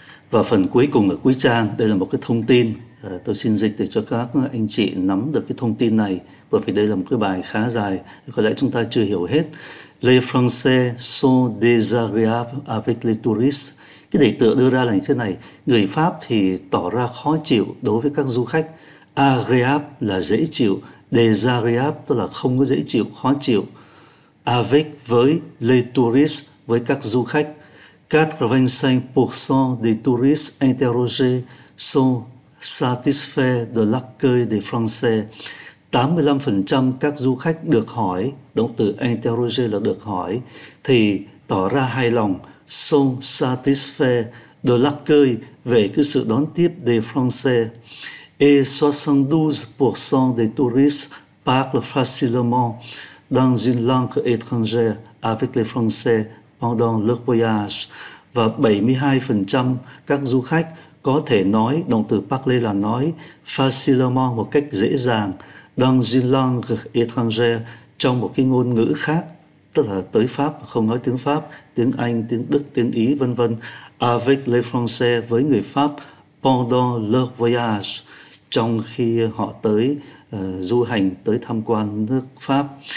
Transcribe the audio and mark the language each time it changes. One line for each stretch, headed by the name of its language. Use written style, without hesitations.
Vietnamese: Và phần cuối cùng ở cuối trang, đây là một cái thông tin. Tôi xin dịch để cho các anh chị nắm được cái thông tin này, bởi vì đây là một cái bài khá dài, có lẽ chúng ta chưa hiểu hết.
French: Les Français sont désagréables avec les touristes.
Vietnamese: Cái đề tựa đưa ra là như thế này: người Pháp thì tỏ ra khó chịu đối với các du khách. Agréable là dễ chịu, désagréable tức là không có dễ chịu, khó chịu. Avec, với,
French: les touristes,
Vietnamese: với các du khách.
French: 85% des touristes interrogés sont satisfait de l'accueil des Français.
Vietnamese: 85% các du khách được hỏi, động từ interroger là được hỏi, thì tỏ ra hài lòng,
French: sont satisfait de l'accueil,
Vietnamese: về cái sự đón tiếp
French: des Français. Et 72% des touristes parlent facilement dans une langue étrangère avec les Français pendant le voyage.
Vietnamese: Và 72% các du khách có thể nói, động từ parler là nói, facilement, một cách dễ dàng,
French: dans une langue étrangère,
Vietnamese: trong một cái ngôn ngữ khác, tức là tới Pháp không nói tiếng Pháp, tiếng Anh, tiếng Đức, tiếng Ý, vân vân,
French: avec les Français,
Vietnamese: với người Pháp,
French: pendant le voyage,
Vietnamese: trong khi họ tới du hành, tới tham quan nước Pháp.